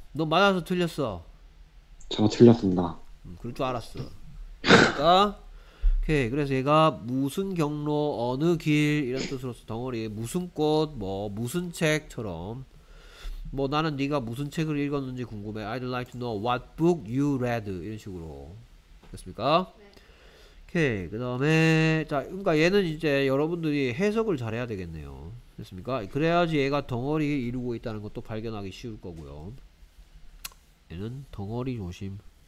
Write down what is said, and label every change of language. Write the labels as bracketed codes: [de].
[ko] 너 맞아서 틀렸어. 제가 틀렸습니다. 그럴 줄 알았어. 됐습니까? 오케이. 그래서 얘가 무슨 경로 어느 길 이런 뜻으로서 덩어리에 무슨 꽃 뭐 무슨 책처럼 뭐 나는 네가 무슨 책을 읽었는지 궁금해. [en] I'd like to know what book you read. [ko] 이런 식으로. 됐습니까? 오케이. 네. 그 다음에 자 그러니까 얘는 이제 여러분들이 해석을 잘해야 되겠네요. 됐습니까? 그래야지 얘가 덩어리 이루고 있다는 것도 발견하기 쉬울 거고요. 얘는 덩어리 조심.